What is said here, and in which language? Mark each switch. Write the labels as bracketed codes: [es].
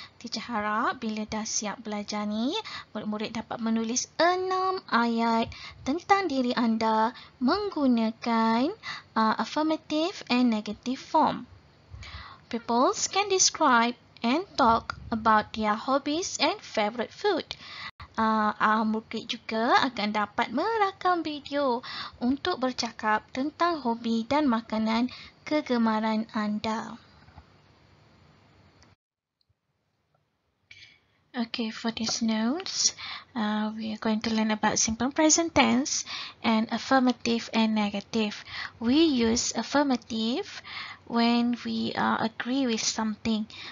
[ms] Teacher harap bila dah siap belajar ni, murid-murid dapat menulis 6 ayat tentang diri anda menggunakan affirmative and negative form. [en] Pupils can describe and talk about their hobbies and favorite food. [ms] Murid juga akan dapat merakam video untuk bercakap tentang hobi dan makanan kegemaran anda. [en] Okay, for these notes, we are going to learn about simple present tense and affirmative and negative. We use affirmative when we agree with something.